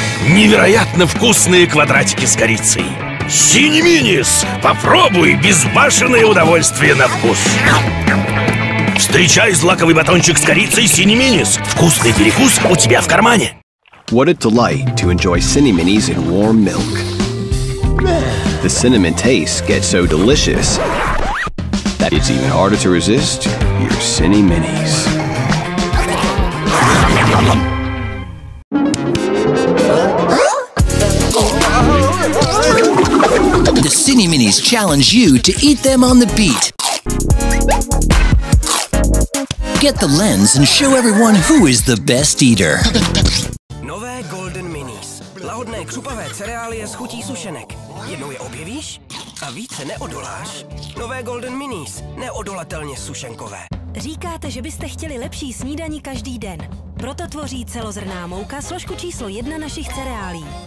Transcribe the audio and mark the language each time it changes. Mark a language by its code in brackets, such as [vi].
[ru] Невероятно вкусные квадратики с корицей! [en] Cinni Minis! [ru] Попробуй безбашенное удовольствие на вкус! Встречай злаковый батончик с корицей Cinni Minis! Вкусный перекус у тебя в кармане! [en] What a delight to enjoy Cinni Minis in warm milk! The cinnamon taste gets so delicious that it's even harder to resist your Cinni Minis! Cinni Minis challenge you to eat them on the beat. Get the lens and show everyone who is the best eater. [cs] Nové Golden Minis. Lahodné křupavé cereálie s chutí sušenek. Jednou je objevíš a více neodoláš. Nové Golden Minis. Neodolatelně sušenkové. Říkáte, že byste chtěli lepší snídani každý den. Proto tvoří celozrnná mouka složku číslo jedna našich cereálí.